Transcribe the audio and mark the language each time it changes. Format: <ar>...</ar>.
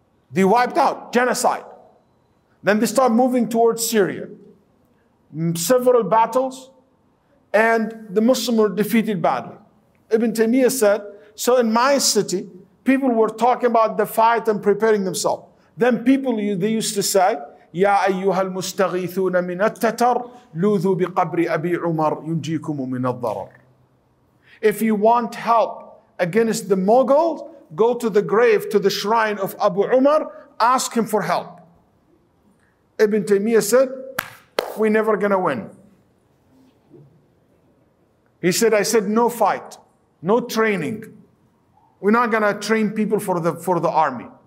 <en>They wiped out, genocide. Then they start moving towards Syria. Several battles, and the Muslims were defeated badly. Ibn Taymiyyah said, so in my city, people were talking about the fight and preparing themselves. Then people, they used to say,</en> <ar>يَا أَيُّهَا الْمُسْتَغِيثُونَ مِنَ التَّتَرِ لُوذُوا بِقَبْرِ أَبِي عُمَرْ يُنْجِيكُمُ مِنَ الضَّرَرِ.</ar> <en>If you want help against the Mughals, go to the grave, to the shrine of Abu Umar, ask him for help. Ibn Taymiyyah said, we're never going to win. He said, I said, no fight, no training. We're not going to train people for the army.</en>